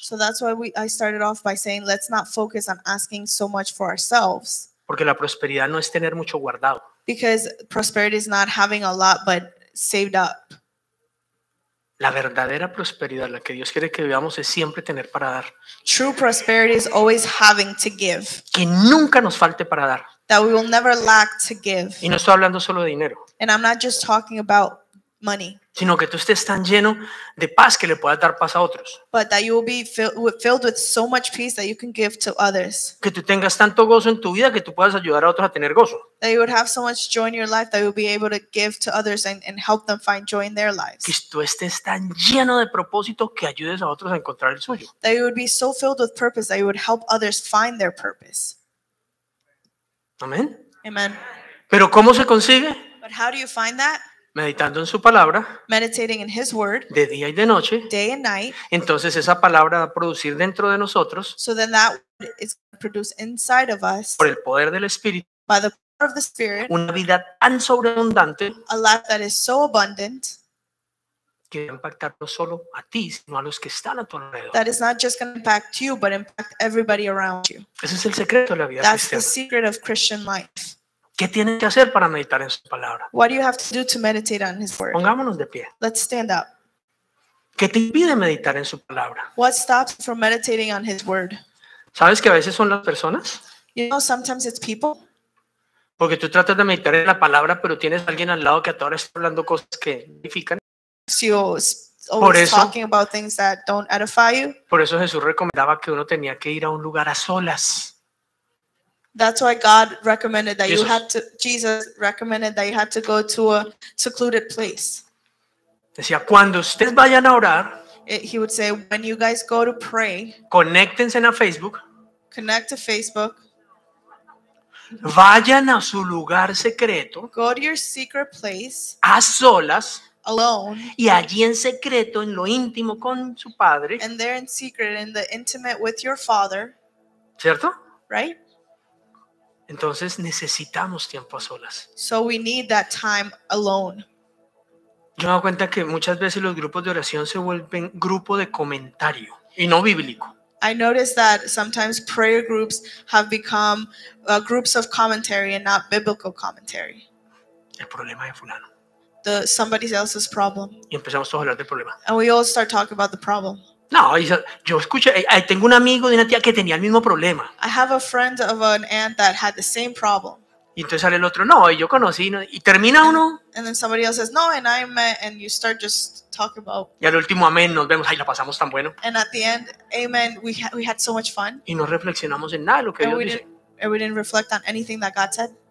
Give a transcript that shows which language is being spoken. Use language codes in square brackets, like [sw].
[en] So that's why I started off by saying, let's not focus on asking so much for ourselves. [es] Porque la prosperidad no es tener mucho guardado. [en] Because prosperity is not having a lot, but saved up. [es] La verdadera prosperidad, la que Dios quiere que vivamos, es siempre tener para dar. [en] True prosperity is always having to give. [es] Que nunca nos falte para dar. [en] That we will never lack to give. [es] Y no estoy hablando solo de dinero. [en] And I'm not just talking about money. [es] Sino que tú estés tan lleno de paz que le puedas dar paz a otros. [en] But that you will be filled with so much peace that you can give to others. [es] Que tú tengas tanto gozo en tu vida que tú puedas ayudar a otros a tener gozo. [en] That you would have so much joy in your life that you will be able to give to others and help them find joy in their lives. [es] Que tú estés tan lleno de propósito que ayudes a otros a encontrar el suyo. [en] That you would be so filled with purpose that you would help others find their purpose. [es] Amén. [en] Amen. [es] Pero ¿cómo se consigue? [en] But how do you find that? [es] Meditando en su palabra, [en] meditating in his word, [es] de día y de noche, [en] day and night, [es] entonces esa palabra va a producir dentro de nosotros, [en] so then that word is produced inside of us, [es] por el poder del Espíritu, [en] by the power of the Spirit, [es] una vida tan sobreabundante, [en] a life that is so abundant, [es] que va a impactar no solo a ti, sino a los que están a tu alrededor. [en] That is not just going to impact you, but impact everybody around you. [es] Ese es el secreto de la vida cristiana. [en] That's the secret of Christian life. [es] ¿Qué tienes que hacer para meditar en su palabra? [en] What do you have to do to meditate on his word? [es] Pongámonos de pie. [en] Let's stand up. [es] ¿Qué te impide meditar en su palabra? [en] What stops you from meditating on his word? [es] ¿Sabes que a veces son las personas? [en] You know, sometimes it's people. [es] Porque tú tratas de meditar en la palabra, pero tienes a alguien al lado que a toda hora está hablando cosas que edifican. [en] So always talking about things that don't edify you. [es] Por eso Jesús recomendaba que uno tenía que ir a un lugar a solas. [en] That's why God recommended that Jesus recommended that you had to go to a secluded place. [es] Decía, cuando ustedes vayan a orar, [en] he would say, when you guys go to pray, [es] conéctense a Facebook. [en] Connect to Facebook. [es] Vayan a su lugar secreto. [en] Go to your secret place. [es] A solas. [en] Alone. [es] Y allí en secreto, en lo íntimo con su padre. [en] And there in secret, in the intimate with your father. [es] ¿Cierto? [en] Right? [es] Entonces necesitamos tiempo a solas. [en] So we need that time alone. [es] Yo me doy cuenta que muchas veces los grupos de oración se vuelven grupo de comentario y no bíblico. [en] I notice that sometimes prayer groups have become groups of commentary and not biblical commentary. [es] El problema de fulano. [en] The somebody else's problem. [es] Y empezamos todos a hablar del problema. [en] And we all start talking about the problem. [es] No, yo escuché, tengo un amigo de una tía que tenía el mismo problema. [en] I have a friend of an aunt that had the same problem. [es] Y entonces sale el otro, no, yo conocí, no, y termina uno. [en] And then somebody else says, no, and I met, and you start just talking about. [es] Y al último, amén, nos vemos, ay, la pasamos tan bueno. [en] And at the end, amen, we had so much fun. [es] Y no reflexionamos en nada de lo que Dios dice. [en] And we didn't reflect on anything that God said.